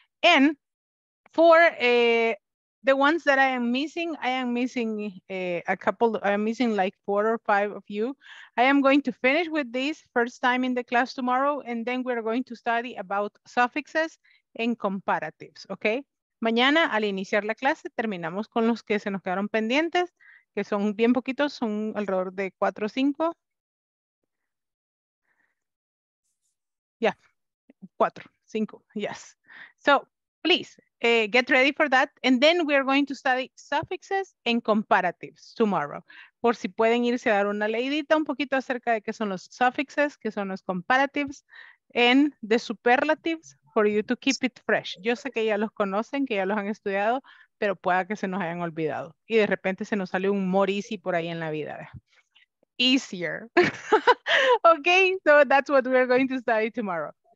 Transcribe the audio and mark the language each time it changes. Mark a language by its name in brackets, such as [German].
[English] And for the ones that I am missing a couple, I'm missing like four or five of you. I am going to finish with this first time in the class tomorrow, and then we're going to study about suffixes en comparatives, ¿ok? [Spanish] Mañana al iniciar la clase terminamos con los que se nos quedaron pendientes, que son bien poquitos, son alrededor de 4 o 5. [English] Yeah, 4, 5, yes. So, please, get ready for that. And then we are going to study suffixes and comparatives tomorrow. [Spanish] por si pueden irse a dar una leidita un poquito acerca de qué son los suffixes, qué son los comparatives, [English] and the superlatives for you to keep it fresh. [Spanish] Yo sé que ya los conocen, que ya los han estudiado, pero pueda que se nos hayan olvidado. Y de repente se nos sale un morisi por ahí en la vida. [English] Easier. Okay, so that's what we're going to study tomorrow.